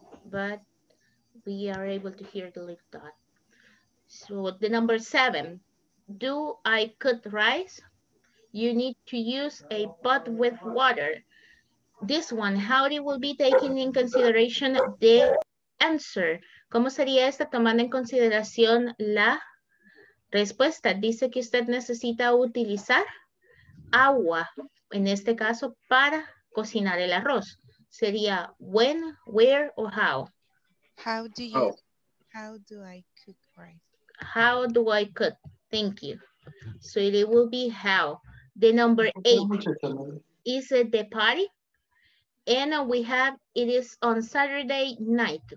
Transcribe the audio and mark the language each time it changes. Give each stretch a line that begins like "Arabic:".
English: But we are able to hear the little dog. So the number 7. Do I cook rice? You need to use a pot with water. This one, how it will be taking in consideration the answer.
Spanish: ¿Cómo sería esta tomando en consideración la respuesta? Dice que usted necesita utilizar agua, en este caso, para cocinar el arroz. Sería when, where, or how.
English: How do you, how do I cook rice? How do I cook? Thank you. So it will be how. The number 8 is at the party. And we have, it is on Saturday night.